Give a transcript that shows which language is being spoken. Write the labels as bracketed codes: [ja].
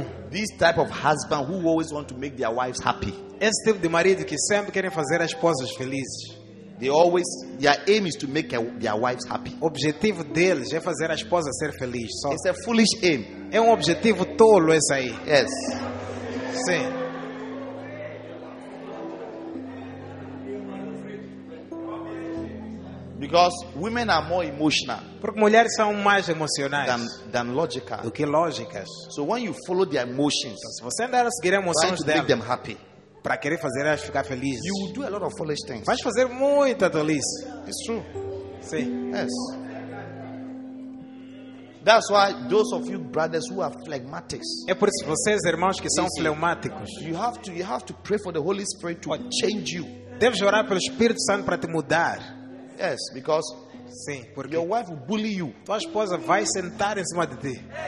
[en] This type of husband who always want to make their wives happy. [pt] Esse tipo de marido que sempre querem fazer as esposas felizes. [en] They always their aim is to make their wives happy. [pt] O objetivo deles é fazer a esposa ser feliz. [en] So, it's a foolish aim. [pt] É objetivo tolo esse aí. [en] Yes. [pt] Sim. [en] Because women are more emotional. [pt] Porque mulheres são mais emocionais [en] than logical. [pt] Do que lógicas. [en] So when you follow their emotions, [pt] se você andar a seguir emoções [en] trying to make them happy. [pt] Para querer fazer elas ficar felizes. [en] You do a lot of foolish things. [pt] Vais fazer muita tolice. [en] It's true. [pt] Sim. [en] Yes. That's why those of you brothers who are phlegmatics. [pt] É por isso vocês irmãos que são phlegmáticos. [en] You have to pray for the Holy Spirit to change you. [pt] Deve orar pelo Espírito Santo para te mudar. [en] Yes, because [pt] sim, porque [en] your wife will bully you. [pt] Tua esposa vai sentar em cima de ti.